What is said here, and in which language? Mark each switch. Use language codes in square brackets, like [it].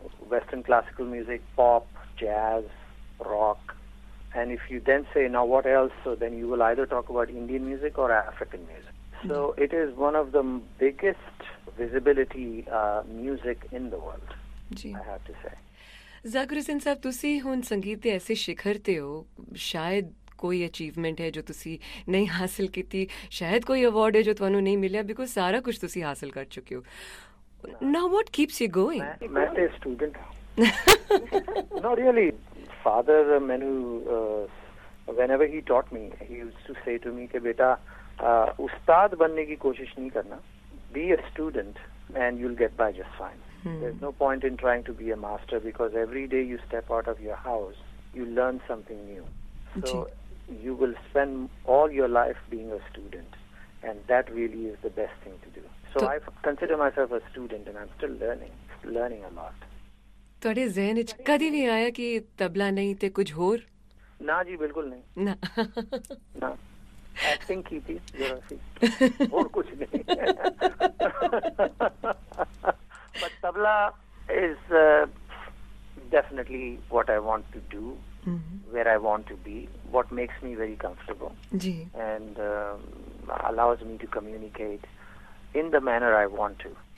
[en] Western classical music, pop, jazz, rock, and if you then say now what else, so then you will either talk about Indian music or African music. So it is one of the biggest visibility music in the world. I have to say [pa] Zakir Hussain sahab, tusi hun sangeet de aise shikhar te ho, shayad ਕੋਈ achievement ਹੈ ਜੋ ਤੁਸੀਂ ਨਹੀਂ ਹਾਸਲ ਕੀਤੀ, ਸ਼ਾਇਦ ਕੋਈ award ਹੈ ਜੋ ਤੁਹਾਨੂੰ ਨਹੀਂ ਮਿਲਿਆ, ਬਿਕੋਜ਼ ਸਾਰਾ ਕੁਝ ਤੁਸੀਂ ਹਾਸਲ ਕਰ ਚੁੱਕੇ ਹੋ। [en] Now what keeps you going? ਮੈਂ ਤੇ student no really father ਮੈਨੂੰ whenever he taught me, he used to say to me [pa] ਕਿ ਬੇਟਾ ਉਸਤਾਦ ਬਣਨੇ ਦੀ ਕੋਸ਼ਿਸ਼ ਨਹੀਂ ਕਰਨਾ, [en] Be a student and you will get by just fine, there is no point in trying to be a master, because every day you step out of your house you learn something new, so you will spend all your life being a student, and that really is the best thing to do. So I consider myself a student and I'm still learning a lot. [pa] ਤੁਹਾਡੇ ਜ਼ਿਹਨ ਵਿੱਚ ਕਦੀ ਵੀ ਆਇਆ ਕਿ ਤਬਲਾ ਨਹੀਂ ਤੇ ਕੁਝ ਹੋਰ? ਨਾ ਜੀ, ਬਿਲਕੁਲ ਨਹੀਂ, ਨਾ ਨਾ ਐਕਟਿੰਗ ਕੀਤੀ ਜਦੋਂ ਅਸੀਂ, ਹੋਰ ਕੁਝ ਨਹੀਂ, [en] But tabla is definitely what I want to do, where I want to be, what makes me very comfortable and allows me to communicate in the manner I want to.